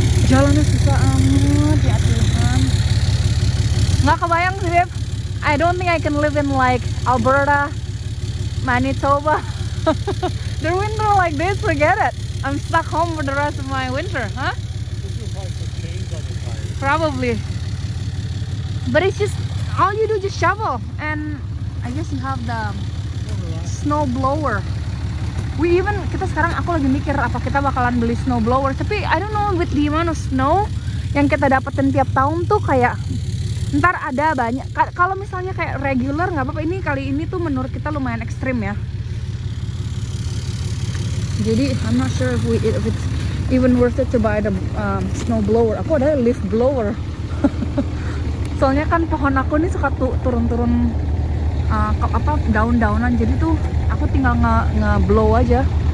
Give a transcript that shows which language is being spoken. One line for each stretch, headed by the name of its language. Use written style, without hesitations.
Indonesian: Jalannya susah amat, ya Tuhan. Nggak kebayang sih, Beb.
English: I don't think I can live in like Alberta, Manitoba. The winter like this, forget it. I'm stuck home for the rest of my winter, huh? Probably. But it's just, all you do just shovel. And I guess you have the snow blower. We even,
Indonesian: kita sekarang aku lagi mikir apa kita bakalan beli snow blower, tapi
English: I don't know with the amount of snow
Indonesian: yang kita dapetin tiap tahun tuh kayak ntar ada banyak. Kalau misalnya kayak regular nggak apa-apa, ini kali ini tuh menurut kita lumayan ekstrim ya.
English: Jadi I'm not sure if it's even worth it to buy the snow blower.
Indonesian: Aku ada leaf blower. Soalnya kan pohon aku ini suka turun-turun apa daun-daunan, jadi tuh aku tinggal nge-blow aja.